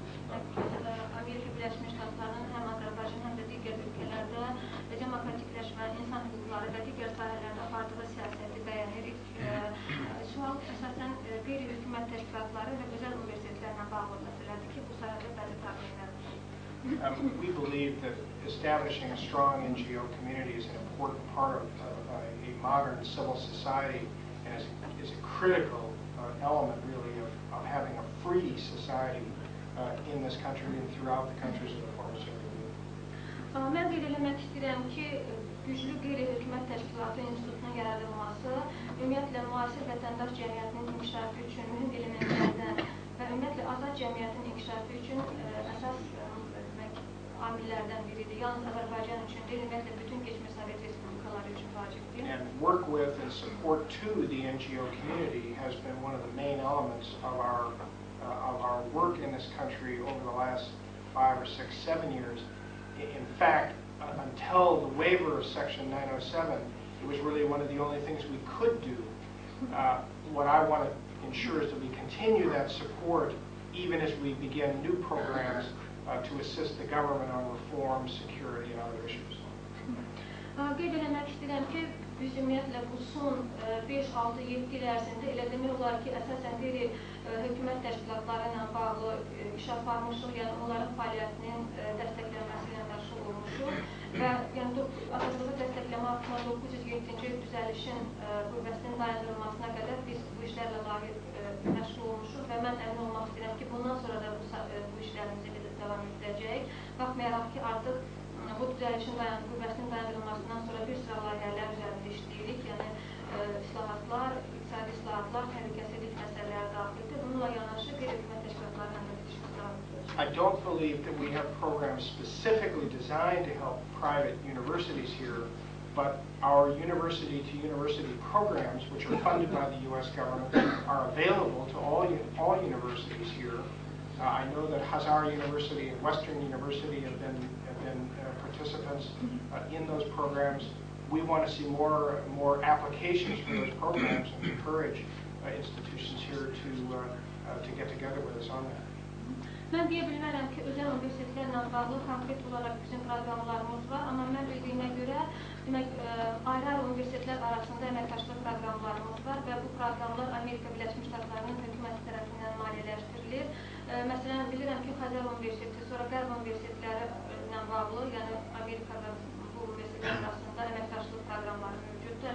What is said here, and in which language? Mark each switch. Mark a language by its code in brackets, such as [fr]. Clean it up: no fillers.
[az] Amerika Birləşmiş Ştatlarının həm Azərbaycan həm də digər ölkələrdə demokratikləşmə, insan hüquqları və digər sahələrdə apardığı siyasəti bəyan edirik. Sual əsasən qeyri-hökumət təşkilatları və özəl universitetlərlə bağlı məsələdir ki, bu sahədə bəzi problemlər var. [en] We believe that establishing a strong NGO community is an important part of a modern civil society and is a critical element really of having a free society in this country and throughout the countries of the former Soviet Union. [az] Mən qeyd eləmək istəyirəm ki, güclü qeyri-hökumət təşkilatı institutunun yaradılması ümumiyyətlə müasir vətəndaş cəmiyyətinin inkişafı üçün mühüm elementlərdən və ümumiyyətlə azad cəmiyyətin inkişafı üçün əsas amillərdən biridir. Yalnız Azərbaycan üçün deyil, ümumiyyətlə bütün keçmiş Sovet Respublikaları üçün vacibdir. [en] And work with and support to the NGO community has been one of the main elements of our work in this country over the last 5 or 6, 7 years. In fact, until the waiver of Section 907, it was really one of the only things we could do. What I want to ensure is that we continue that support even as we begin new programs to assist the government on reform, security, and other issues. [az] Qeyd eləmək istəyirəm ki, biz ümumiyyətlə bu son 5-6-7 il ərzində elə demək olar ki, əsasən qeyri hökumət təşkilatları ilə bağlı iş aparmışıq, yəni onların fəaliyyətinin dəstəklənməsi ilə məşğul olmuşuq və yəni azadlığı dəstəkləmə haqqında 907-ci düzəlişin qüvvəsinin dayandırılmasına qədər biz bu işlərlə layiq məşğul olmuşuq və mən əmin olmaq istəyirəm ki, bundan sonra da bu işlərimizi biz davam edəcəyik. Baxmayaraq ki, artıq bu düzəlişin qüvvəsinin dayandırılmasından sonra bir sıra layihələr üzərində işləyirik. Yəni, islahatlar, iqtisadi islahatlar, təhlükəsizlik məsələləri daxildir. Bununla yanaşı, qeyri-hökumət təşkilatları ilə də bitişimiz davam edir. [en] I don't believe that we have programs specifically designed to help private universities here, but our university-to-university programs, which are funded by the U.S. government, are available to all universities here. I know that Hazar University and Western University have been participants in those programs. We want to see more applications for those programs and encourage institutions here to get together with us on that. [az] Mən deyə bilmərəm ki, özəl universitetlərlə bağlı konkret olaraq bizim proqramlarımız var, amma mən bildiyimə görə, demək, ayrı-ayrı universitetlər arasında əməkdaşlıq proqramlarımız var və bu proqramlar Amerika Birləşmiş Ştatlarının hökuməti tərəfindən maliyyələşdirilir. Məsələn, bilirəm ki, Xəzər Universiteti, sonra Qərb Universitetləri ilə bağlı, yəni Amerikada bu universitetlər arasında əməkdaşlıq proqramları mövcuddur.